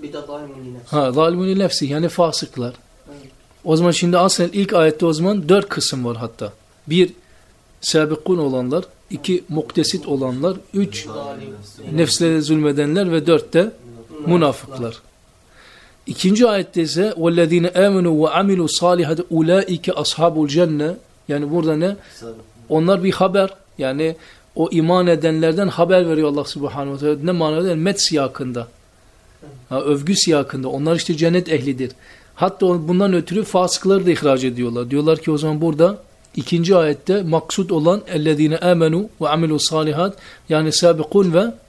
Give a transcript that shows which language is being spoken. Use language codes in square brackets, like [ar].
[ar] zalimun nefsi. [tr] Ha, zalimun nefsi yani fasıklar. O zaman şimdi aslında ilk ayette o zaman dört kısım var hatta. Bir, sebekun olanlar, iki, muktesit olanlar, üç, nefslere zulmedenler ve dört de münafıklar. İkinci ayette ise [ar] وَالَّذ۪ينَ اَمَنُوا وَعَمِلُوا صَالِحَةِ اُولَٰئِكَ أَصْحَابُ الْجَنَّةِ. [tr] Yani burada ne? Onlar bir haber. Yani o iman edenlerden haber veriyor Allah Subhanahu ve Teala. Ne manada eder? Met siyakında. Ha, övgü siyakında. Onlar işte cennet ehlidir. Hatta bundan ötürü fasıkları da ihraç ediyorlar. Diyorlar ki o zaman burada ikinci ayette maksut olan [ar] اَلَّذ۪ينَ اَمَنُوا وَعَمِلُوا صَالِحَةِ, [tr] yani sabikun ve